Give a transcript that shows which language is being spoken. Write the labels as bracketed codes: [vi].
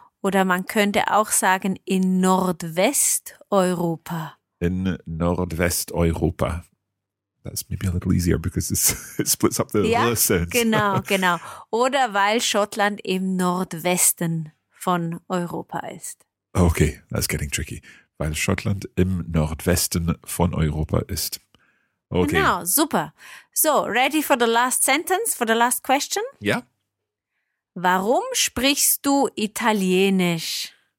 [de] Oder man könnte auch sagen in Nordwesteuropa. In Nordwesteuropa. [en] That's maybe a little easier because it splits up the sound. [de] Genau. Oder weil Schottland im Nordwesten von Europa ist. [en] Okay, that's getting tricky. [de] Weil Schottland im Nordwesten von Europa ist. [en] Okay. [de] Genau, super. [en] So, ready for the last sentence, for the last question? [de] Ja. Warum sprichst du Italienisch?